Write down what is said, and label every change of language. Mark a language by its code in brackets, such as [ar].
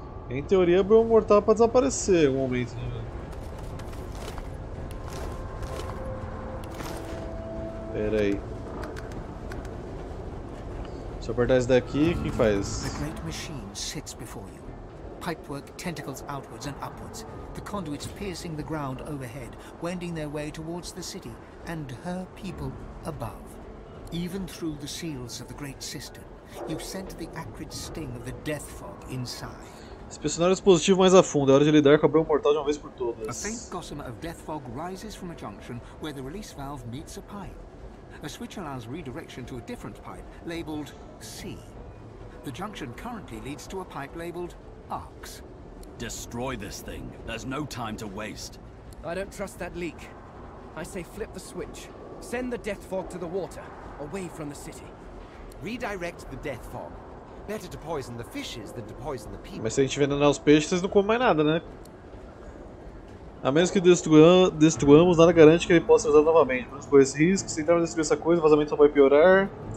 [pt] Em teoria, o Bruma Mortal pode desaparecer em algum momento, né, velho? Pera aí. Se eu apertar esse daqui, o que faz? A grande máquina está diante de você. [en] pipework tentacles outwards and upwards, the conduits piercing the ground overhead, wending their way towards the city and her people above. Even through the seals of the great cistern, you scent the acrid sting of the death fog inside. [pt] Inspecionar o dispositivo mais a fundo. É hora de lidar com o abrigo mortal de uma vez por todas. [en] A faint gossamer of death fog rises from a junction where the release valve meets a pipe. A switch allows redirection to a different pipe labeled C. The junction currently leads to a pipe labeled Ox. Destroy this thing. There's no time to waste. I don't trust that leak. I say flip the switch. Send the death fog to the water, away from the city. Redirect the death fog. Better to poison the fishes than to poison the people. [pt] Mas se a gente envenenar os peixes, vocês não comem mais nada, né? A menos que destruamos, nada garante que ele possa ser usado novamente. Vamos correr esse risco. Se tentarmos destruir essa coisa, o vazamento só vai piorar.